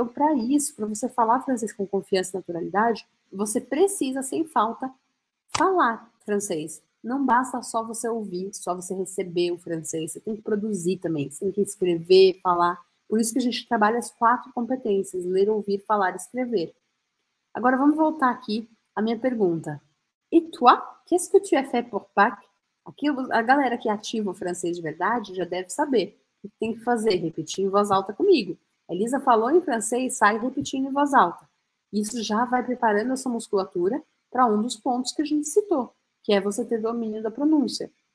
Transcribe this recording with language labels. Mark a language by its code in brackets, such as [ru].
[pt] Então, para isso, para você falar francês com confiança e naturalidade, você precisa, sem falta, falar francês. Não basta só você ouvir, só você receber o francês. Você tem que produzir também, você tem que escrever, falar. Por isso que a gente trabalha as quatro competências: ler, ouvir, falar e escrever. Agora, vamos voltar aqui à minha pergunta. [fr] E toi, qu'est-ce que tu as fait pour Pâques? [pt] Aqui, a galera que ativa o francês de verdade já deve saber o que tem que fazer, repetir em voz alta comigo. Elisa falou em francês, sai repetindo em voz alta. Isso já vai preparando a sua musculatura para um dos pontos que a gente citou, que é você ter domínio da pronúncia.